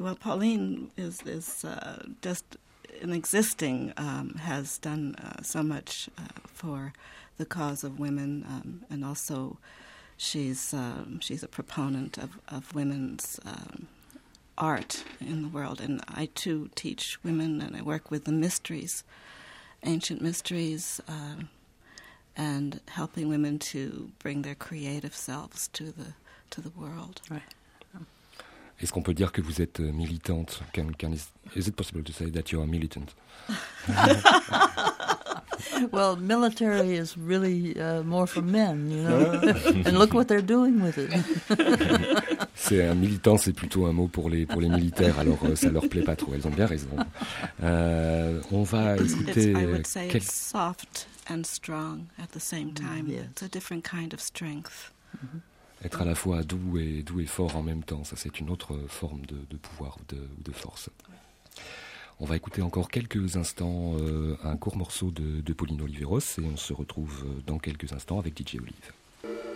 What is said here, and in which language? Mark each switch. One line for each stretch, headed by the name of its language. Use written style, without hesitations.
English: Well, Pauline is just in existing has done so much for the cause of women, and also she's a proponent of women's art in the world. And I too teach women, and I work with the mysteries, ancient mysteries, and helping women to bring their creative selves to the world. Right.
French: Est-ce qu'on peut dire que vous êtes militante?
English: Is it possible to say that you are militant? Well, military is really more for men, you know. And look what they're doing with it.
French: C'est un militant, c'est plutôt un mot pour les militaires. Alors ça leur plaît pas trop. Elles ont bien raison. On va écouter.
English: It's soft and strong at the same time. Yes. It's a different kind of strength.
French: Être à la fois doux et fort en même temps, ça c'est une autre forme de pouvoir ou de force. On va écouter encore quelques instants un court morceau de Pauline Oliveros et on se retrouve dans quelques instants avec DJ Olive.